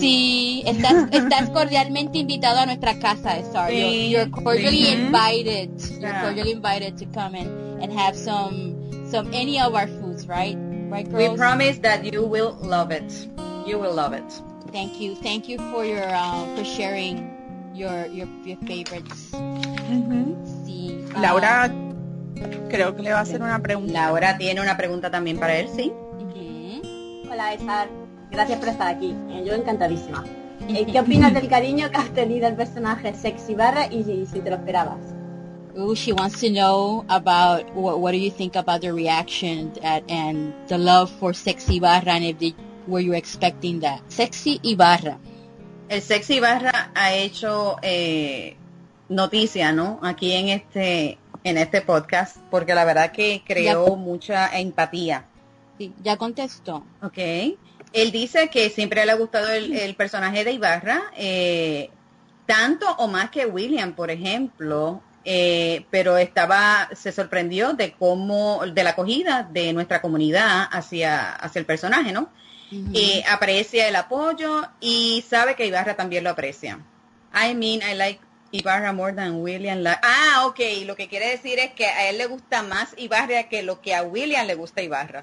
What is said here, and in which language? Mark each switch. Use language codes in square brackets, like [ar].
[es] Sí, estás cordialmente invitado a nuestra casa, Sar. [en] Sí. You're cordially invited. You're cordially invited to come in and have some any of our foods, right? Right, girls? We promise that you will love it. You will love it. Thank you. Thank you for your for sharing your favorites. [es] Sí. Laura, creo que le va a hacer una pregunta. Laura tiene una pregunta también para él, ¿sí? Hola, Sar. Gracias por estar aquí. Yo encantadísima. ¿Qué opinas del cariño que has tenido el personaje Sexy Barra y si te lo esperabas? [en] Ooh, she wants to know about what do you think about the reaction at, and the love for Sexy Barra, and if they, were you expecting that? [es] Sexy Ibarra. El Sexy Ibarra ha hecho noticia, ¿no? Aquí en este podcast, porque la verdad que creó ya, mucha empatía. Sí, ya contestó. Okay. Él dice que siempre le ha gustado el personaje de Ibarra, tanto o más que William, por ejemplo. Pero se sorprendió de cómo, de la acogida de nuestra comunidad hacia el personaje, ¿no? Uh-huh. Aprecia el apoyo y sabe que Ibarra también lo aprecia. [en] I mean, I like Ibarra more than William. [es] Okay, lo que quiere decir es que a él le gusta más Ibarra que lo que a William le gusta Ibarra.